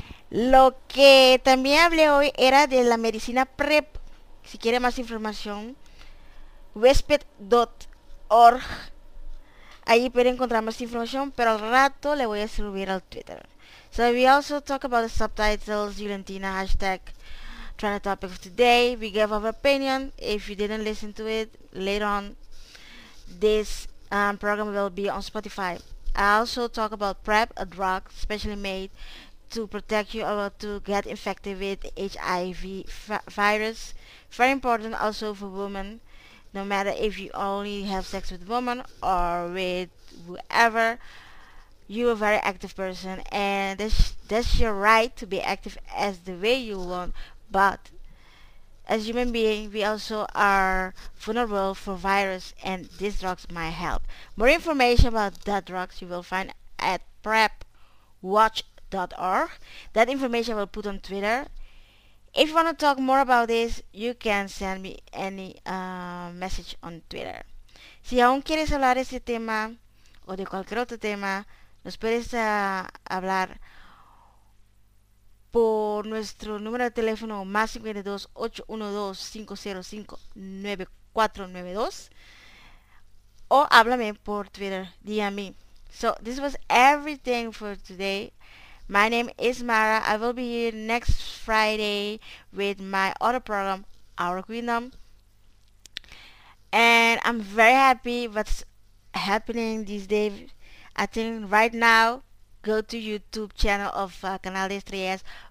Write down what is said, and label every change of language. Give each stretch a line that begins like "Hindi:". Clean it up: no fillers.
Spanish: Lo que también hablé hoy era de la medicina PrEP. Si quieres más información, huésped.org. Ahí puedes encontrar más información, pero al rato le voy a subir al Twitter.
English: So we also talk about the subtitles, Juventina, hashtag trending topic of today. We gave our opinion. If you didn't listen to it, later on this program will be on Spotify. I also talk about PrEP, a drug specially made to protect you or to get infected with HIV virus. Very important also for women, no matter if you only have sex with women or with whoever, you are a very active person, and that's your right to be active as the way you want. But as human being, we also are vulnerable for virus, and these drugs might help. More information about that drugs you will find at prepwatch.org. That information I will put on Twitter. If you want to talk more about this, you can send me any message on Twitter.
Spanish: Si aún quieres hablar de este tema o de cualquier otro tema, nos puedes hablar por nuestro número de teléfono +52 812 505 9492 o háblame por Twitter,
English: DM me. So this was everything for today. My name is Mara. I will be here next Friday with my other program, Our Queendom. And I'm very happy what's happening these days. I think right now, go to YouTube channel of Canal de Estrellas.